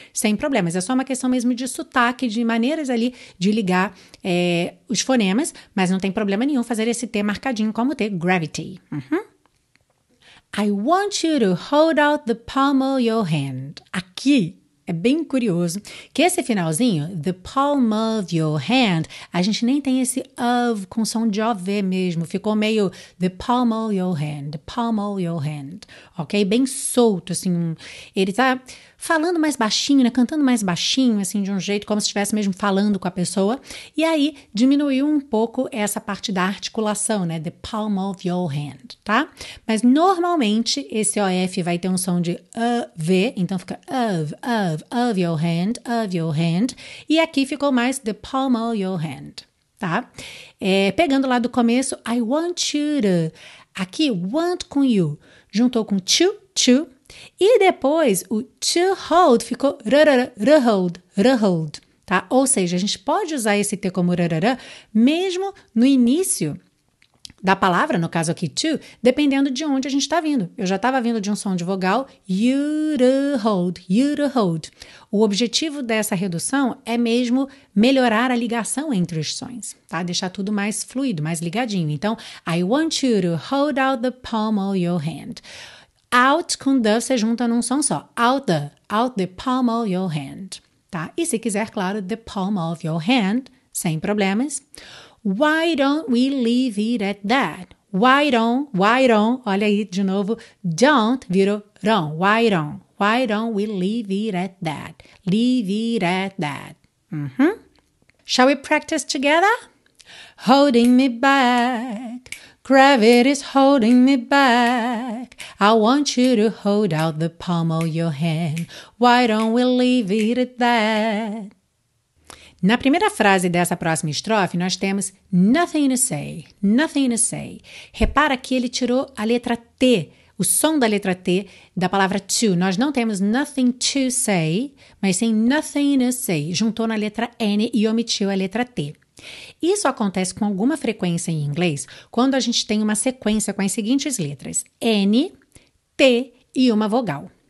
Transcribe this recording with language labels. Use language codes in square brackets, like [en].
[pt] Sem problemas, é só uma questão mesmo de sotaque, de maneiras ali de ligar os fonemas, mas não tem problema nenhum fazer esse T marcadinho como T, gravity. Uhum. [en] I want you to hold out the palm of your hand. [pt] Aqui é bem curioso que esse finalzinho, [en] the palm of your hand, [pt] a gente nem tem esse of com som de OV mesmo. Ficou meio [en] the palm of your hand, the palm of your hand. [pt] Ok? Bem solto, assim. Ele tá falando mais baixinho, né? Cantando mais baixinho, assim, de um jeito como se estivesse mesmo falando com a pessoa. E aí, diminuiu um pouco essa parte da articulação, né? [en] The palm of your hand, [pt] tá? Mas, normalmente, esse OF vai ter um som de V. Então, fica [en] of your hand, of your hand. [pt] E aqui ficou mais [en] the palm of your hand, [pt] tá? Pegando lá do começo, [en] I want you to. [pt] Aqui, want com you. Juntou com to. E depois o to hold ficou rarara, hold, tá? Ou seja, a gente pode usar esse T como rarara mesmo no início da palavra, no caso aqui to, dependendo de onde a gente está vindo. Eu já estava vindo de um som de vogal, you to hold. O objetivo dessa redução é mesmo melhorar a ligação entre os sons, tá? Deixar tudo mais fluido, mais ligadinho. Então, [en] I want you to hold out the palm of your hand. [pt] Out com the, você junta num som só. [en] Out the palm of your hand. [pt] Tá? E se quiser, claro, [en] the palm of your hand, [pt] sem problemas. [en] Why don't we leave it at that? Why don't, [pt] olha aí de novo, [en] don't [pt] virou [en] wrong. Why don't we leave it at that? Leave it at that. Uh-huh. Shall we practice together? Holding me back. Gravity's holding me back. I want you to hold out the palm of your hand. Why don't we leave it at that? [pt] Na primeira frase dessa próxima estrofe, nós temos [en] nothing to say, nothing to say. [pt] Repara que ele tirou a letra T, o som da letra T, da palavra to. Nós não temos [en] nothing to say, [pt] mas sim nothing to say. Juntou na letra N e omitiu a letra T. Isso acontece com alguma frequência em inglês quando a gente tem uma sequência com as seguintes letras, N, T e uma vogal.